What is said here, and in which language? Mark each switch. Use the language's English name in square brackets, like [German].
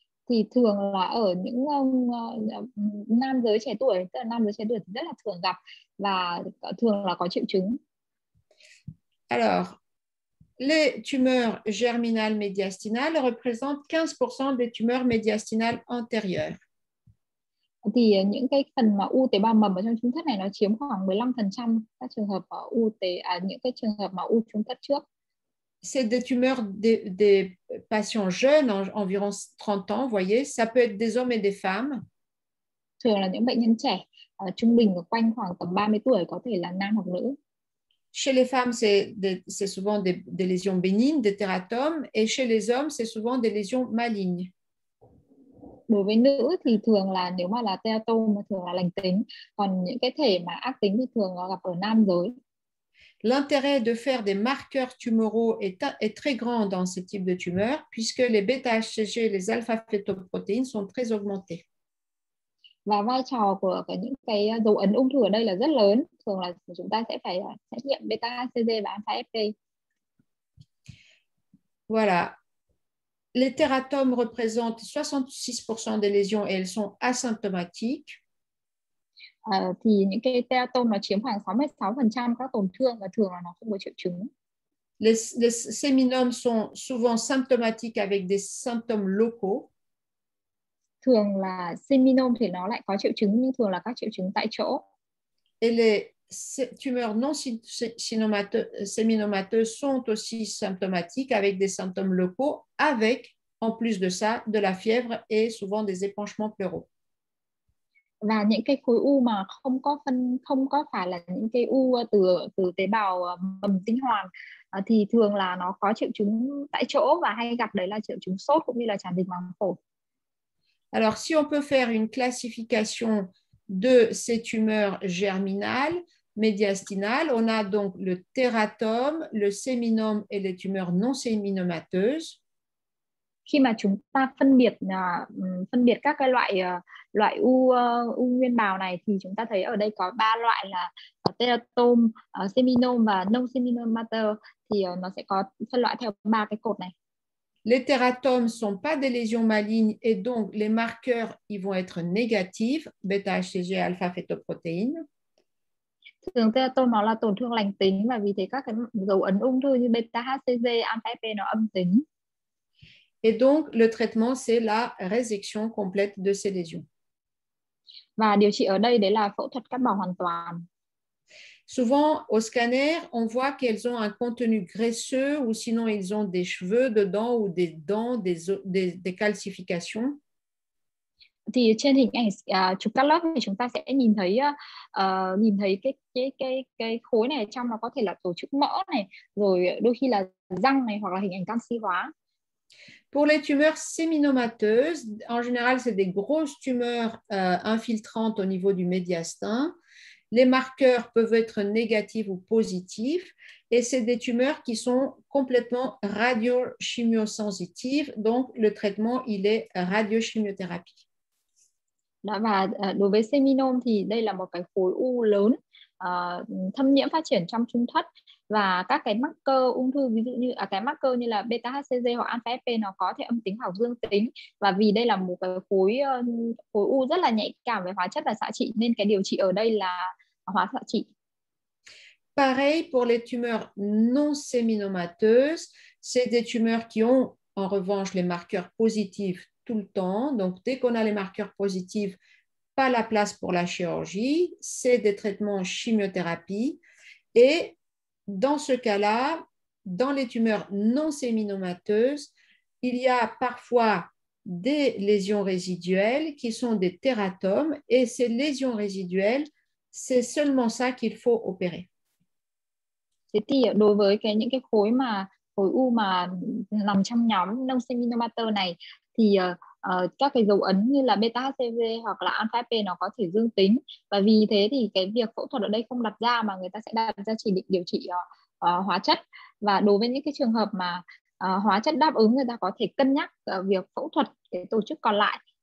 [Vietnamese] Thì thường là ở những nam giới trẻ tuổi, tức là nam giới trẻ tuổi thì rất là thường gặp và thường là có triệu chứng. [French] Alors, les tumeurs germinales médiastinales représentent 15% des tumeurs médiastinales antérieures. [Vietnamese] Thì những cái phần mà u tế bào mầm ở trong trung thất này nó chiếm khoảng 15% các trường hợp mà u tế những cái trường hợp mà u trung thất trước. [French] C'est des tumeurs des patients jeunes environ 30 ans, voyez, ça peut être des hommes et des femmes. [Vietnamese] Thường là những bệnh nhân trẻ trung bình quanh khoảng tầm 30 tuổi, có thể là nam hoặc nữ. [French] Chez les femmes, c'est souvent des lésions bénignes, des tératomes, et chez les hommes, c'est souvent des lésions malignes. [Vietnamese] đối với nữ thì thường là nếu mà là teratoma thường là lành tính, còn những cái thể mà ác tính thì thường gặp ở nam giới. [French] L'intérêt de faire des marqueurs tumoraux est très grand dans ce type de tumeur puisque les bêta HCG et les alpha fetoprotéines sont très augmentées. [Vietnamese] Và vai trò của những cái dấu ấn ung thư ở đây là rất lớn, thường là chúng ta sẽ phải xét nghiệm beta HCG và alpha FP. [French] Voilà. Les teratomes représentent 66% des lésions et elles sont asymptomatiques. [Vietnamese] Thì những cái teratomes nó chiếm khoảng 66% các tổn thương và thường là nó không có triệu chứng. [French] Les séminomes sont souvent symptomatiques avec des symptômes locaux. [Vietnamese] Thường là séminome thì nó lại có triệu chứng nhưng thường là các triệu chứng tại chỗ. [French] Et les tumeurs non séminomateuses sont aussi symptomatiques avec des symptômes locaux avec en plus de ça de la fièvre et souvent des épanchements pleuraux. [Vietnamese] Và những cái khối u mà không có phải là những cái u từ tế bào mầm tinh hoàn thì thường là nó có triệu chứng tại chỗ và hay gặp đấy là triệu chứng sốt cũng như là tràn dịch màng phổi. [French] Alors, si on peut faire une classification de ces tumeurs germinales, médiastinales, on a donc le teratome, le séminome et les tumeurs non séminomateuses. [Vietnamese] Khi mà chúng ta phân biệt các cái loại u nguyên bào này thì chúng ta thấy ở đây có 3 loại là teratome, séminome và non séminomateur thì nó sẽ có phân loại theo 3 cái cột này. [French] Les teratomes ne sont pas des lésions malignes et donc les marqueurs ils vont être négatifs, bêta-HCG et alpha-fétoprotéines. [Vietnamese] Thường teratome là tổn thương lành tính và vì thế các cái dấu ấn ung thư như bêta-HCG, alpha-FP nó âm tính. [French] Et donc le traitement c'est la résection complète de ces lésions. [Vietnamese] Và điều trị ở đây đấy là phẫu thuật cắt bỏ hoàn toàn. [French] Souvent, au scanner, on voit qu'elles ont un contenu graisseux ou sinon ils ont des cheveux dedans ou des dents, des calcifications. [Vietnamese] Thì trên hình ảnh chụp cắt lớp thì chúng ta sẽ nhìn thấy cái khối này trong nó có thể là tổ chức mỡ này, rồi đôi khi là răng này hoặc là hình ảnh canxi hóa. [French] Pour les tumeurs séminomateuses, en général, c'est des grosses tumeurs infiltrantes au niveau du médiastin. Les marqueurs peuvent être négatifs ou positifs et c'est des tumeurs qui sont complètement radiochimiosensitives, donc le traitement il est radiochimiothérapie. [Vietnamese] Đó, và đối với séminome thì đây là một cái khối u lớn thâm nhiễm phát triển trong trung thất và các cái marker ung thư ví dụ như cái marker như là beta HCG hoặc alpha FP nó có thể âm tính hoặc dương tính và vì đây là một cái khối u rất là nhạy cảm với hóa chất và xạ trị nên cái điều trị ở đây là hóa xạ trị. [French] Pareil pour les tumeurs non séminomateuses, c'est des tumeurs qui ont en revanche les marqueurs positifs tout le temps. Donc dès qu'on a les marqueurs positifs, pas la place pour la chirurgie, c'est des traitements en chimiothérapie. Et dans ce cas-là, dans les tumeurs non séminomateuses, il y a parfois des lésions résiduelles qui sont des teratomes et ces lésions résiduelles, c'est seulement ça qu'il faut opérer. C'est pour les [Vietnamese] khối u nằm trong nhóm non séminomateur này thì các cái dấu ấn như là beta HCG hoặc là alpha FP nó có thể dương tính và vì thế thì cái việc phẫu thuật ở đây không đặt ra mà người ta sẽ đặt ra chỉ định điều trị hóa chất và đối với những cái trường hợp mà hóa chất đáp ứng người ta có thể cân nhắc việc phẫu thuật cái tổ chức còn lại.